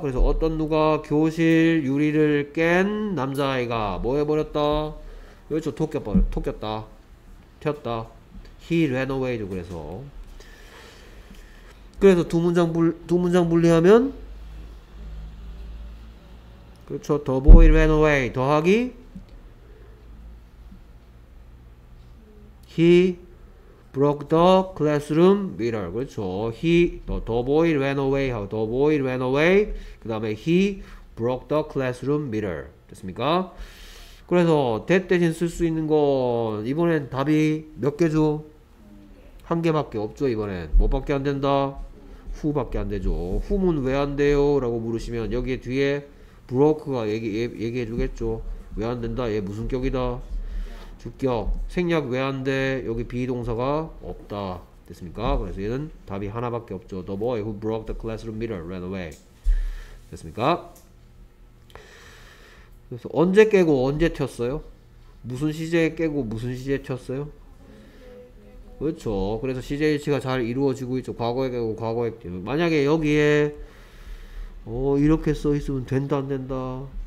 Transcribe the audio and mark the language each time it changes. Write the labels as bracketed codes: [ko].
[ko] 그래서 어떤 누가 교실 유리를 깬 남자아이가 뭐 해버렸다? 그렇죠. 토꼈다. 튀었다. [en] He ran away [ko] 죠. 그래서 두 문장 분리하면 그렇죠. [en] The boy ran away [ko] 더하기 [en] He broke the classroom mirror. [ko] 그렇죠. [en] The boy ran away. The boy ran away. [ko] 그 다음에 [en] he broke the classroom mirror. [ko] 됐습니까? 그래서 that 대신 쓸 수 있는 건 이번엔 답이 몇 개죠? 한 개밖에 없죠. 이번엔 뭐밖에 안 된다? who밖에 안 되죠. whom은 왜 안 돼요? 라고 물으시면 여기 뒤에 broke가 얘기해 주겠죠. 왜 안 된다? 얘 무슨 격이다? 주격, 생략 왜 안 돼? 여기 비동사가 없다. 됐습니까? 그래서 얘는 답이 하나밖에 없죠. [en] The boy who broke the classroom mirror ran away. [ko] 됐습니까? 그래서 언제 깨고 언제 튀었어요? 무슨 시제에 깨고 무슨 시제에 튀었어요? 그렇죠. 그래서 CJH가 잘 이루어지고 있죠. 과거에 대고 과거에 대고. 만약에 여기에 이렇게 써 있으면 된다 안 된다.